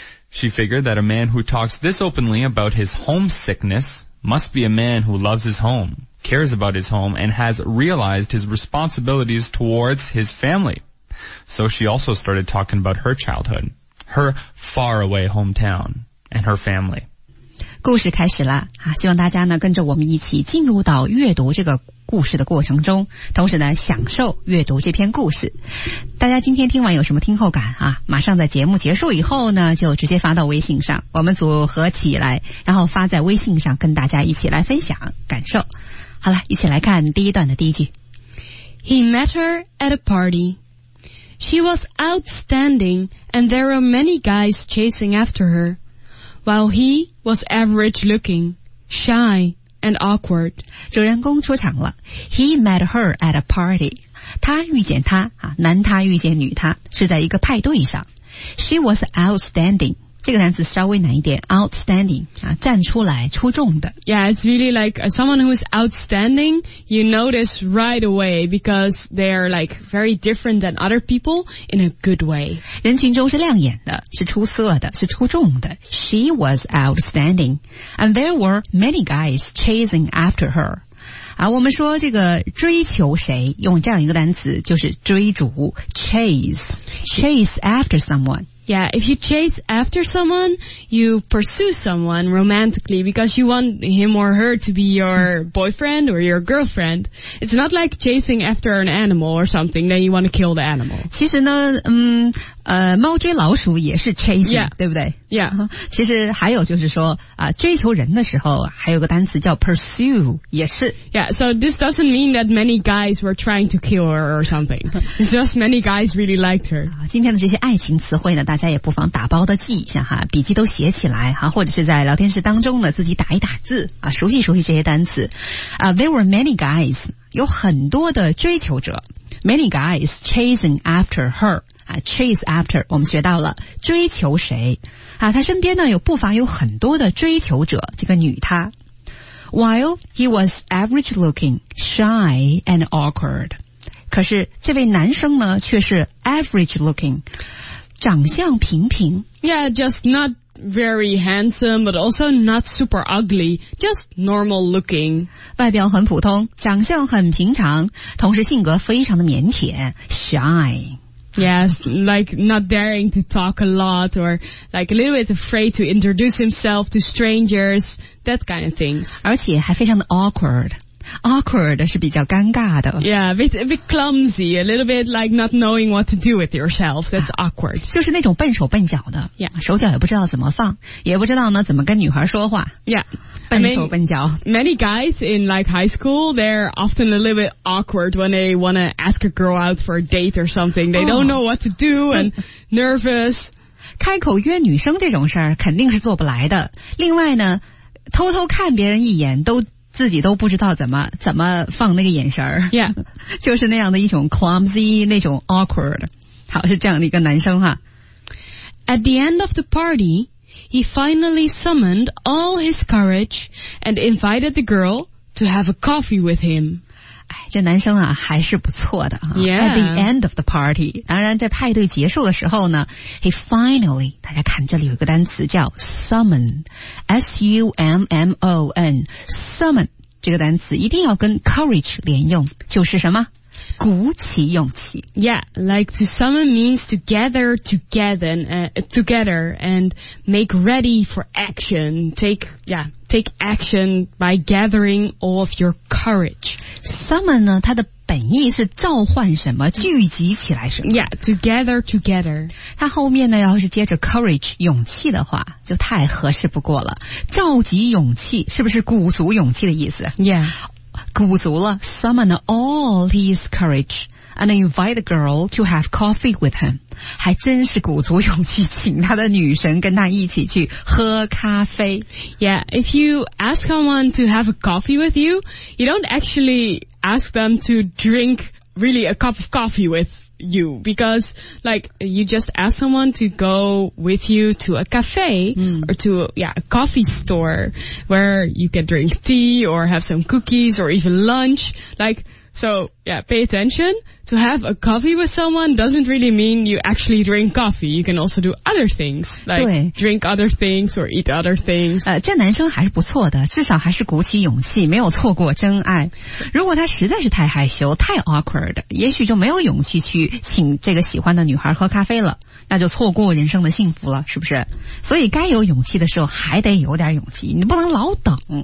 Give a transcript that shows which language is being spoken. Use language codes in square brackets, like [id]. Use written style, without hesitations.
[en] She figured that a man who talks this openly about his homesickness must be a man who loves his home, cares about his home, and has realized his responsibilities towards his family. So she also started talking about her childhood, her faraway hometown, and her family. [zh] 故事开始了，希望大家呢跟着我们一起进入到阅读这个故事的过程中，同时呢享受阅读这篇故事。大家今天听完有什么听后感啊？马上在节目结束以后呢，就直接发到微信上，我们组合起来，然后发在微信上跟大家一起来分享感受。好了，一起来看第一段的第一句。 [en] He met her at a party. She was outstanding, and there were many guys chasing after her. While he was average looking, shy, and awkward. [zh] 主人公出场了。 [en] He met her at a party. [zh] 他遇见他，男他遇见女他，是在一个派对上。 [en] She was outstanding. [zh] 这个单词稍微难一点， outstanding, 站出来，出众的。 [en] Yeah, it's really like someone who is outstanding, you notice right away because they are like very different than other people in a good way. [zh] 人群中是亮眼的，是出色的，是出众的。 [en] She was outstanding. And there were many guys chasing after her. [zh] 我们说这个追求谁，用这样一个单词就是追逐， chase. [en] Chase after someone. Yeah, if you chase after someone, you pursue someone romantically because you want him or her to be your boyfriend or your girlfriend. It's not like chasing after an animal or something that you want to kill the animal. [zh] 其实呢，猫追老鼠也是 chasing, [en] yeah, [zh] 对不对？ [en] Yeah. [zh] 其实还有就是说，追求人的时候，还有个单词叫 pursue, 也是。 [en] Yeah, so this doesn't mean that many guys were trying to kill her or something. It's just many guys really liked her. [zh] 今天的这些爱情词汇呢，大家也不妨打包的记一下哈，笔记都写起来哈，或者是在聊天室当中呢自己打一打字啊，熟悉熟悉这些单词。 [en] There were many guys, [zh] 有很多的追求者。 [en] Many guys chasing after her. Chase after, [zh] 我们学到了追求谁。他身边呢有不乏有很多的追求者，这个女她。 [en] While he was average looking, shy and awkward. [zh] 可是这位男生呢却是 average looking. 长相平平。 [en] Yeah, just not very handsome, but also not super ugly, just normal looking. [zh] 外表很普通，长相很平常，同时性格非常的腼腆， shy. [en] Yes, like not daring to talk a lot, or like a little bit afraid to introduce himself to strangers, that kind of things. [zh] 而且还非常的 awkward. Awkward 是比较尴尬的。 [en] Yeah, a bit clumsy, a little bit like not knowing what to do with yourself. That's awkward. [zh] 就是那种笨手笨脚的。 [en] Yeah. [zh] 手脚也不知道怎么放，也不知道呢怎么跟女孩说话。 [en] Yeah. [zh] 笨手笨脚。 [en] Many guys in like high school, they're often a little bit awkward when they want to ask a girl out for a date or something. They don't know what to do and nervous. [zh] 开口约女生这种事儿肯定是做不来的。另外呢，偷偷看别人一眼都自己都不知道怎么放那个眼神儿。 [en] Yeah. [zh] 就是那样的一种 clumsy, 那种 awkward. 好，是这样的一个男生哈。 [en] At the end of the party, he finally summoned all his courage and invited the girl to have a coffee with him. [zh] 哎，这男生啊还是不错的哈。 [en] Yeah. At the end of the party, [zh] 当然在派对结束的时候呢， [en] he finally, [zh] 大家看这里有一个单词叫 summon, S-U-M-M-O-N, summon, 这个单词一定要跟 courage 连用，就是什么？鼓起勇气。 [en] Yeah, like to summon means to gather together and make ready for action. Take action by gathering all of your courage. [zh] Summon 呢，它的本意是召唤什么，聚集起来什么。 [en] Yeah, to gather together. [zh] 它后面呢，要是接着 courage, 勇气的话，就太合适不过了。召集勇气，是不是鼓足勇气的意思？ [en] Yeah. [zh] 鼓足了 [en] summon all his courage and invite the girl to have coffee with him. [zh] 还真是鼓足勇气请他的女神跟他一起去喝咖啡。 [en] Yeah, if you ask someone to have a coffee with you, you don't actually ask them to drink really a cup of coffee with you, because like you just ask someone to go with you to a cafe, or to a coffee store where you can drink tea or have some cookies or even lunch. Like So, yeah, pay attention. To have a coffee with someone doesn't really mean you actually drink coffee. You can also do other things, like drink other things or eat other things. [zh] 这男生还是不错的，至少还是鼓起勇气，没有错过真爱。如果他实在是太害羞，太 awkward, 也许就没有勇气去请这个喜欢的女孩喝咖啡了。那就错过人生的幸福了，是不是？所以该有勇气的时候还得有点勇气，你不能老等。